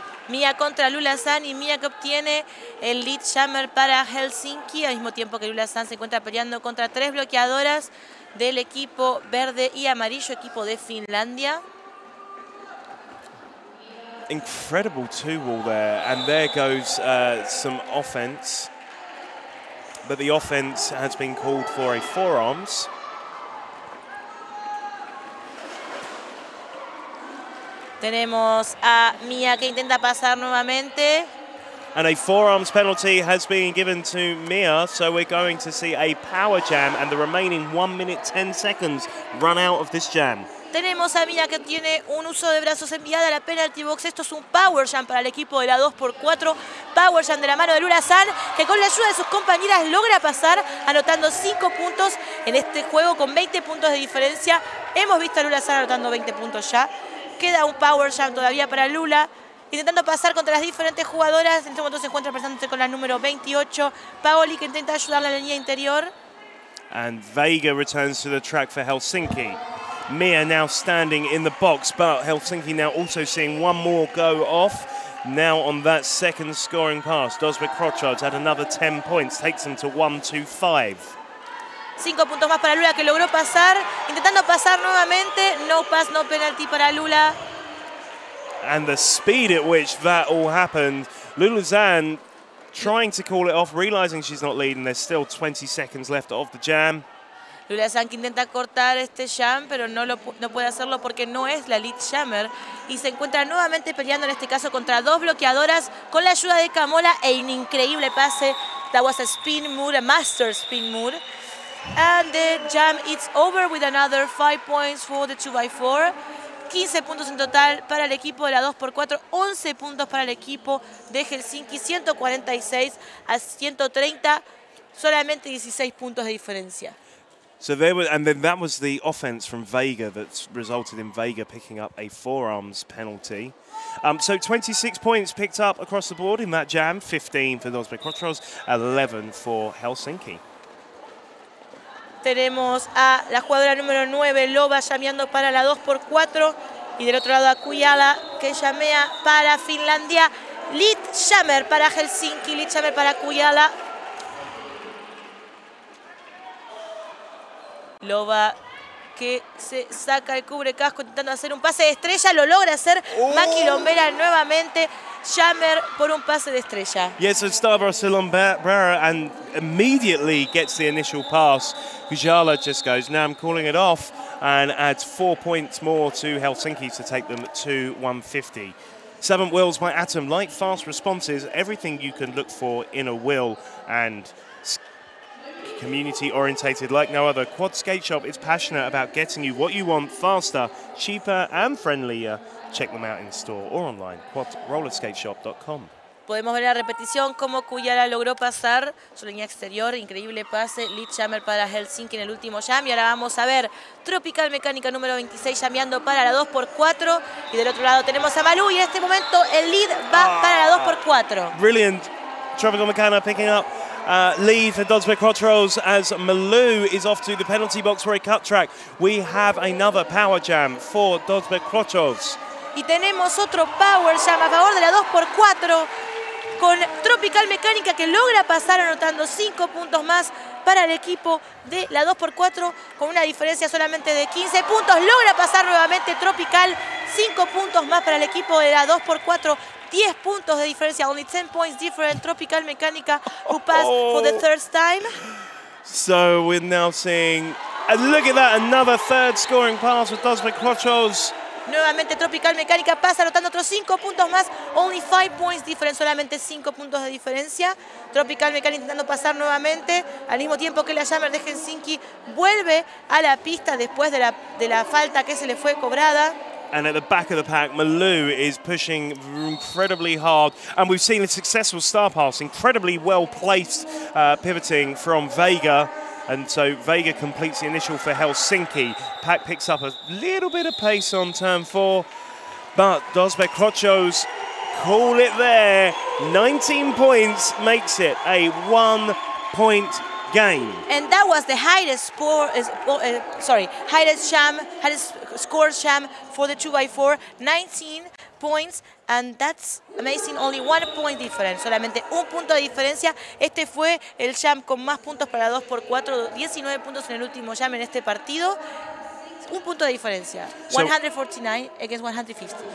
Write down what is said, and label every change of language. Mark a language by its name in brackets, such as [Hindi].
[Spanish] Mia contra Luluzan y Mia que obtiene el lead jammer para Helsinki al mismo tiempo que Luluzan se encuentra peleando contra 3 bloqueadoras del equipo verde y amarillo, equipo de Finlandia. [English] Incredible two wall there, and there goes some offense. But the offense has been called for a forearms. [Spanish] Tenemos a Mia que intenta pasar nuevamente. [English] And a forearms penalty has been given to Mia, so we're going to see a power jam and the remaining 1:10 run out of this jam. [Spanish] Tenemos a Mia que tiene un uso de brazos enviada a la penalty box. Esto es un power jam para el equipo de la 2x4. Power jam de la mano de Luluzan, que con la ayuda de sus compañeras logra pasar anotando 5 puntos en este juego con 20 puntos de diferencia. Hemos visto a Luluzan anotando 20 puntos ya. Queda un power jam todavía para Lula, intentando pasar contra las diferentes jugadoras. En este momento se encuentra presentándose con la número 28, Paoli, que intenta ayudarla en la línea interior. [English] And Vega returns to the track for Helsinki. Mia now standing in the box, but Helsinki now also seeing one more go off. Now on that second scoring pass, Dosbekroto's had another 10 points, takes them to 1-2-5. [Spanish] 5 puntos más para Lula que logró pasar, intentando pasar nuevamente, [English] no pass, no penalty [Spanish] para Lula. [English] And the speed at which that all happened, Luluzan trying to call it off, realizing she's not leading, there's still 20 seconds left of the jam. [Spanish] Luluzan que intenta cortar este jam, pero no puede hacerlo porque no es la lead jammer. Y se encuentra nuevamente peleando en este caso contra 2 bloqueadoras con la ayuda de Camola e un increíble pase. [English] That was a spin move, a master spin move. And the jam is over with another 5 points for the 2x4. [Spanish] 15 puntos en total para el equipo de la 2x4. 11 puntos para el equipo de Helsinki. 146 a 130. Solamente 16 puntos de diferencia. [English] So there was, and then that was the offense from Vega that resulted in Vega picking up a forearms penalty. So 26 points picked up across the board in that jam. 15 for Dosbekroto's, 11 for Helsinki. [Spanish] Tenemos a la jugadora número 9, Loba, llameando para la 2x4. Y del otro lado a Kujala, que llamea para Finlandia. Lead jammer para Helsinki, lead jammer para Kujala. Loba que se saca el cubre casco intentando hacer un pase de estrella. Lo logra hacer. Oh. Maki Lombera nuevamente. Jammer por un pase de estrella. [English] Yes, yeah, so Starbrush Lombera and immediately gets the initial pass. Kujala just goes, now I'm calling it off, and adds 4 points more to Helsinki to take them to 150. 7 wills by Atom, light, fast responses, everything you can look for in a will, and community orientated like no other. Quad Skate Shop is passionate about getting you what you want faster, cheaper and friendlier. Check them out in store or online, quadrollerskateshop.com. [Spanish] Podemos ver la repetición como Kujala logró pasar su línea exterior, increíble pase, lead jammer para Helsinki en el último jam. Y ahora vamos a ver Tropical Mecánica número 26 jammeando para la 2x4. Y del otro lado tenemos a Malú y en este momento el lead va para la 2x4. [English] Brilliant. Tropical Mecánica picking up lead for Dosbekroto's as Malú is off to the penalty box for a cut track. We have another power jam for Dosbekroto's. [Spanish] Y tenemos otro Power Jam a favor de la 2x4 con Tropical Mecánica, que logra pasar anotando 5 puntos más para el equipo de la 2x4 con una diferencia solamente de 15 puntos. Logra pasar nuevamente Tropical, 5 puntos más para el equipo de la 2x4. 10 puntos de diferencia, [English] only 10 points different. Tropical Mecánica, who passed for the third time. So we're now seeing, and look at that, another third scoring pass with Dos Cuatros. [Spanish] Nuevamente Tropical Mecánica pasa anotando otros 5 puntos más, [English] only 5 points different, [Spanish] solamente 5 puntos de diferencia. Tropical Mecánica intentando pasar nuevamente, al mismo tiempo que la Jammer de Helsinki vuelve a la pista después de la falta que se le fue cobrada. [English] And at the back of the pack, Malou is pushing incredibly hard. And we've seen a successful star pass, incredibly well-placed pivoting from Vega. And so Vega completes the initial for Helsinki. Pack picks up a little bit of pace on turn four. But Dos Becrochos call it there. 19 points makes it a one-point game. And that was the highest score jam for the 2x4, 19 points, and that's amazing, only 1 point difference, [Spanish] solamente un punto de diferencia. Este fue el jam con más puntos para 2x4, 19 puntos en el último jam en este partido, un punto de diferencia, [English] so, 149 against 150.